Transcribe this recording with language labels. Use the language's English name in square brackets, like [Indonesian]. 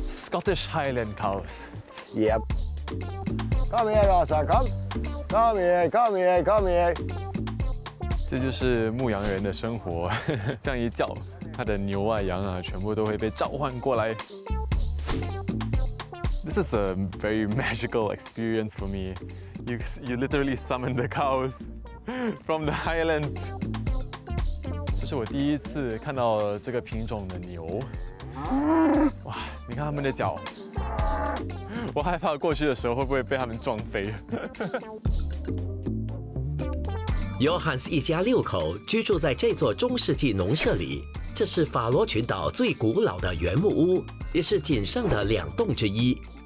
[English] Scottish Highland cows. Yep. Come here, Rosa. Come. Come here. [Chinese] 这就是牧羊人的生活。这样一叫，他的牛啊羊啊全部都会被召唤过来。 [English] This is a very magical experience for me. You literally summon the cows from the highlands. [Chinese] 这是我第一次看到这个品种的牛，哇！你看他们的脚，我害怕过去的时候会不会被他们撞飞。 Johannes 一家六口居住在这座中世纪农舍里，这是法罗群岛最古老的原木屋，也是仅剩的两栋之一。